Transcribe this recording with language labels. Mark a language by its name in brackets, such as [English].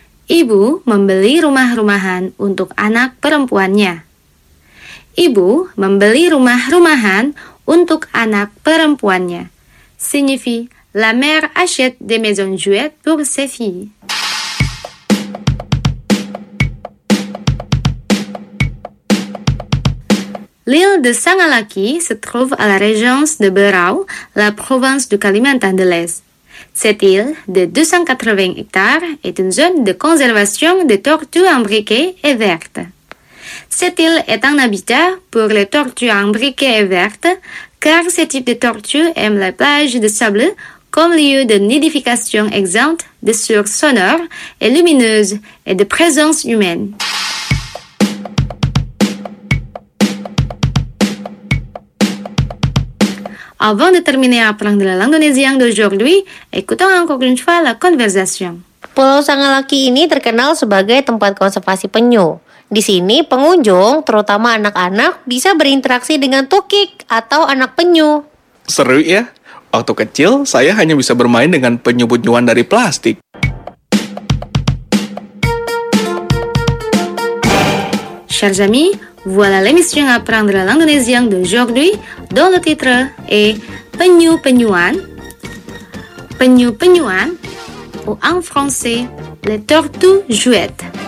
[Indonesian] Ibu membeli rumah-rumahan untuk anak perempuannya. Ibu membeli rumah-rumahan untuk anak perempuannya. [French] Signifie la mère achète des maisons jouettes pour ses filles. L'île de Sangalaki se trouve à la région de Berau, la province du Kalimantan de l'Est. Cette île de 280 hectares est une zone de conservation des tortues imbriquées et vertes. Cette île est un habitat pour les tortues imbriquées et vertes, car ce type de tortue aime la plage de sable comme lieu de nidification exempte de sources sonores et lumineuses et de présence humaine. Avant de terminer à apprendre la langue indonésienne d'aujourd'hui, écoutons encore une fois la conversation. [Indonesian] Pulau Sangalaki ini terkenal sebagai tempat konservasi penyu. Di sini pengunjung, terutama anak-anak, bisa berinteraksi dengan tukik atau anak penyu. Seru ya. Waktu kecil, saya hanya bisa bermain dengan penyu bunyuan dari plastik. [French] Chers amis, voilà l'émission à prendre la langue d'Indonésie d'aujourd'hui dans le titre et penyu-penyuan. Penyu-penyuan ou en français, les tortues jouettes.